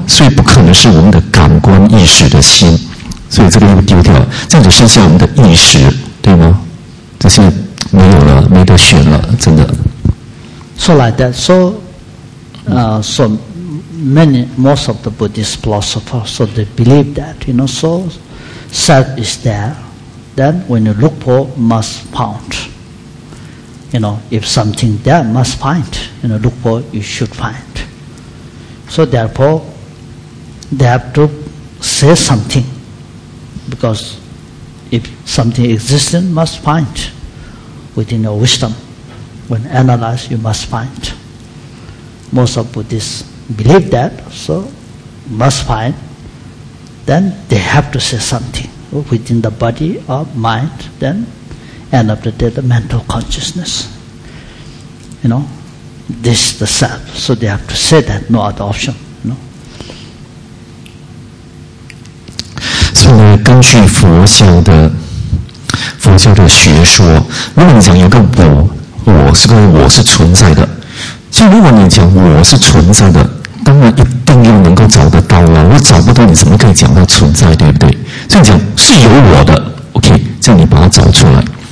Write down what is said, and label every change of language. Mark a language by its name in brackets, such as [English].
[Chinese] 现在这个心了，对吗？现在这个心，现在心的时候，我们讲，哎，这个心呢，就是我们所认知的，通过我们的心认知，这样可以是我们的感官吗？我们眼睛看到的，耳朵听到的，鼻啊、鼻识啊、身识啊、舌识啊、意识啊，这等等，这样讲，哎，通过这感官看掉，感受到这个心了，这样有时候我们睡觉的时候，眼识就不见了，我们睡觉可能耳朵也就听不到了，所以不可能是我们的感官意识的心。所以这个又丢掉了，这样子剩下我们的意识，对吗？这些没有了，没得选了，真的。So [English] like that. So, so many, most of the Buddhist philosophers, so they believe that, you know, so self is there. Then when you look for, must find. You know, if something there, must find. You know, look for, you should find. So therefore, they have to say something. Because if something exists, you must find within your wisdom. When analyzed, you must find. Most of Buddhists believe that, so must find. Then they have to say something within the body or mind, then end of the day, the mental consciousness. You know, this is the self. So they have to say that, no other option. [Chinese] 所以呢，根据佛教的学说，如果你讲有个我，我是存在的，像如果你讲我是存在的，当然一定要能够找得到啊。我找不到，你怎么可以讲它存在，对不对？所以讲是有我的 ，OK， 这样你把它找出来。